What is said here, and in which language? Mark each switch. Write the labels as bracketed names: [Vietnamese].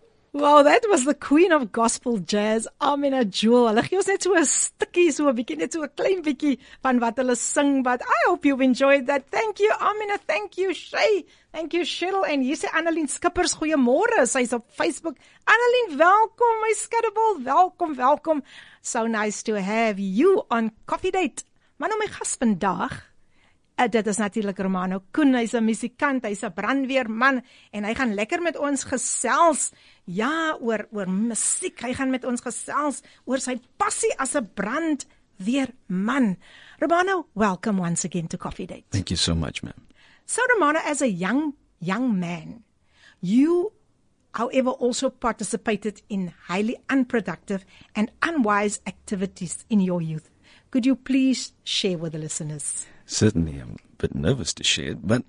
[English] Well, that was the queen of gospel jazz, Amina Jewel. [Afrikaans] Hulle gee ons net so 'n stukkie, so 'n bietjie, net so 'n klein bietjie van wat hulle sing. [English] But I hope you've enjoyed that. Thank you, Amina. Thank you, Shay. Thank you, Cheryl. [Afrikaans] En hier sê Annelien Skippers, goeiemôre. Sy's op Facebook. Annelien, welkom, my skattebol. Welkom. [English] So nice to have you on Coffee Date. [Afrikaans] Maar nou my gas vandag. Dit is natuurlik Romano Koen, hy's 'n musikant, hy's 'n brandweerman en hy gaan lekker met ons gesels. Ja, oor musiek. Hy gaan met ons gesels oor sy passie as 'n brandweerman. [English] Romano, welcome once again to Coffee Date. Thank you so much, ma'am. So Romano, as a young man, you however also participated in highly unproductive and unwise activities in your youth. Could you please share with the listeners? Certainly, I'm a bit nervous to share it, but